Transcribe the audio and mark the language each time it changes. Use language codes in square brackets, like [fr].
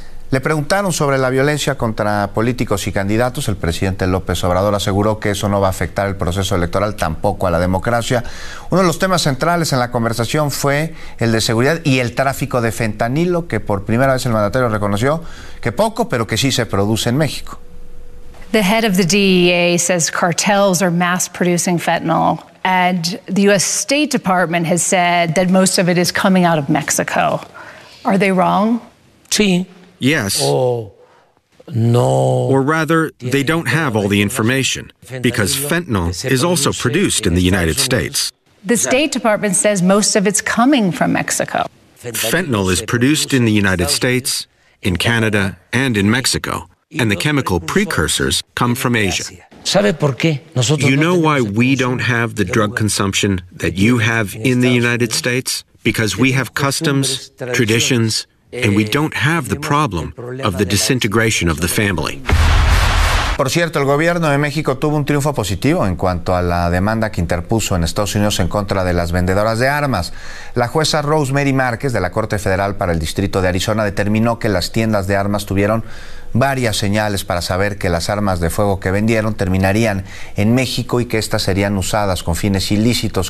[es] Le preguntaron sobre la violencia contra políticos y candidatos. El presidente López Obrador aseguró que eso no va a afectar el proceso electoral, tampoco a la democracia. Uno de los temas centrales en la conversación fue el de seguridad y el tráfico de fentanilo, que por primera vez el mandatario reconoció que poco, pero que sí se produce en México. [en] The head of the DEA says cartels are mass producing fentanyl. And the U.S. State Department has said that most of it is coming out of Mexico. Are they wrong? [es] Sí. [en] Yes. Or rather, they don't have all the information, because fentanyl is also produced in the United States. The State Department says most of it's coming from Mexico. Fentanyl is produced in the United States, in Canada, and in Mexico, and the chemical precursors come from Asia. You know why we don't have the drug consumption that you have in the United States? Because we have customs, traditions, and we don't have the problem of the disintegration of the family. [es] Por cierto, el gobierno de México tuvo un triunfo positivo en cuanto a la demanda que interpuso en Estados Unidos en contra de las vendedoras de armas. La jueza Rosemary Márquez de la Corte Federal para el Distrito de Arizona determinó que las tiendas de armas tuvieron varias señales para saber que las armas de fuego que vendieron terminarían en México y que estas serían usadas con fines ilícitos.